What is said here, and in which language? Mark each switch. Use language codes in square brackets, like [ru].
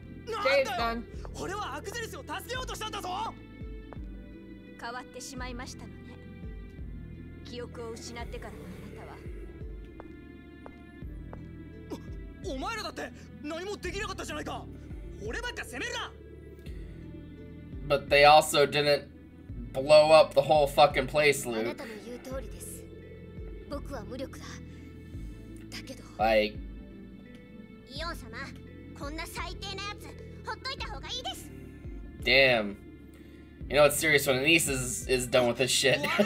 [ja] なんだよ。俺はアクゼルスを助けようとしたんだぞ。変わってしまいましたのね。記憶を失ってからのあなたは。お前らだって何もできなかったじゃないか。俺ばっか責めるな。 [en] But they also didn't blow up the whole fucking place, Luke. [ja] あなたの言う通りです。僕は無力だ。だけど。はい。イオン様、こんな最低なやつ、ほっといた方がいいです。 [en] Damn. You know what's serious when Anise is done with this shit.